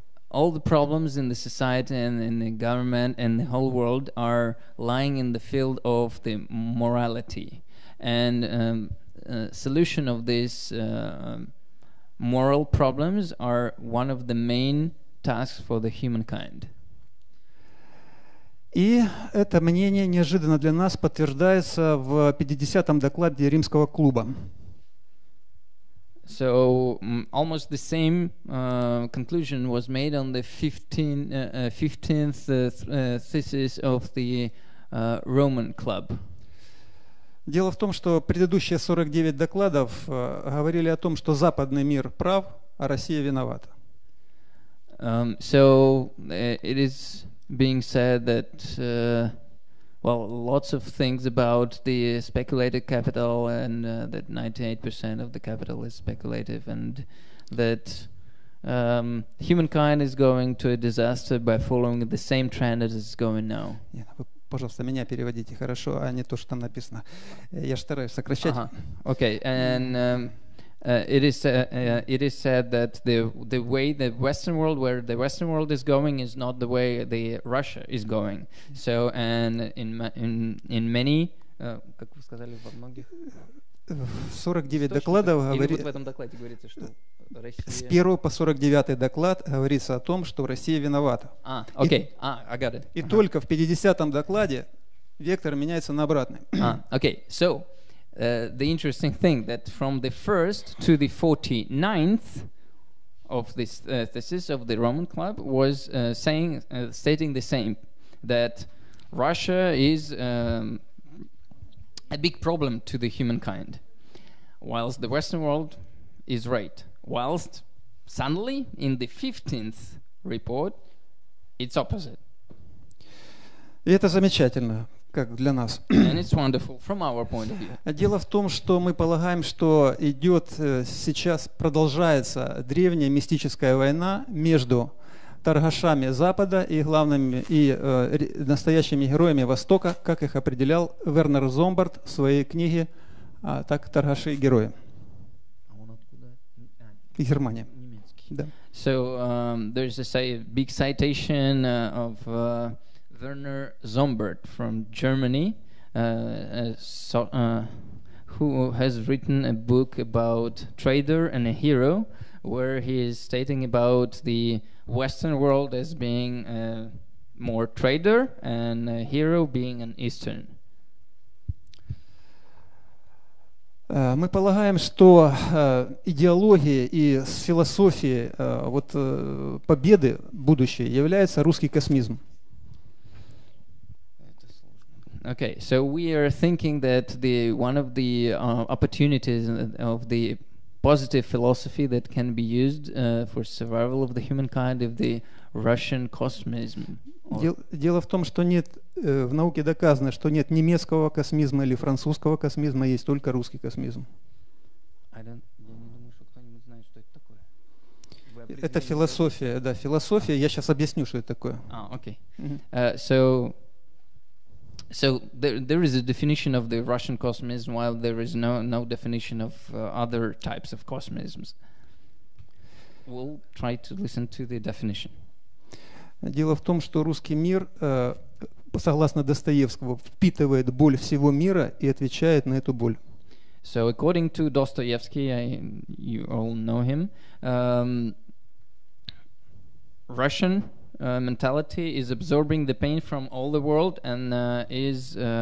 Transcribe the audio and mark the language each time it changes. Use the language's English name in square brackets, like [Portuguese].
[English] All the problems in the society and in the government and the whole world are lying in the field of the morality. And solution of these moral problems are one of the main tasks for the humankind. [Russian] И это мнение неожиданно для нас подтверждается в 50-м докладе Римского клуба. [English] So almost the same conclusion was made on the 15th thesis of the Roman Club. [Russian] Дело в том, что предыдущие 49 докладов говорили о том, что западный мир прав, а Россия виновата. [English] So it is being said that well, lots of things about the speculated capital and that 98% of the capital is speculative and that humankind is going to a disaster by following the same trend as it's going now. [Russian] Пожалуйста, меня переводите хорошо, а не то, что там написано. Я же стараюсь сокращать. [English] Okay, and It is said that the way the Western world, where the Western world is going, is not the way the Russia is going. Mm-hmm. So, and in many, [Russian] как вы сказали, во многих 49 докладов говорит, вот в этом докладе говорится, что Россия... С 1 по 49 доклад говорится о том, что Россия виновата. [English] I got it. [Russian] И только в 50 докладе вектор меняется на обратный. [English] So the interesting thing that from the first to the 49th of this thesis of the Roman Club was stating the same, that Russia is a big problem to the humankind, whilst the Western world is right, whilst suddenly in the 15th report it's opposite. [Russian] И это замечательно, как для нас. [English] And it's wonderful from our point of view. [Russian] Дело в том, что мы полагаем, что идет сейчас, продолжается древняя мистическая война между торгашами Запада и главными и настоящими героями Востока, как их определял Вернер Зомбард в своей книге «Так торгаши и герои». Германия. Да. [English] So there's a big citation of Werner Zombert from Germany, who has written a book about trader and a hero, where he is stating about the Western world as being more trader and a hero being an Eastern. [Russian] Мы полагаем, что идеологией и философией победы будущей является русский космизм. [English] Okay, so we are thinking that the one of the opportunities of the positive philosophy that can be used for survival of the humankind of the Russian cosmism. [Russian] Дело в том, что нет в науке доказано, что нет немецкого космизма или французского космизма, есть только русский космизм. Я не думаю, что кто-нибудь знает, что это такое. Это философия, да, философия. Я сейчас объясню, что это такое. [English] Okay. Mm-hmm. So there is a definition of the Russian cosmism, while there is no definition of other types of cosmisms. We'll try to listen to the definition. [Russian] Дело в том, что русский мир, согласно Достоевскому, впитывает боль всего мира и отвечает на эту боль. [English] So according to Dostoevsky, you all know him, Russian mentality is absorbing the pain from all the world and is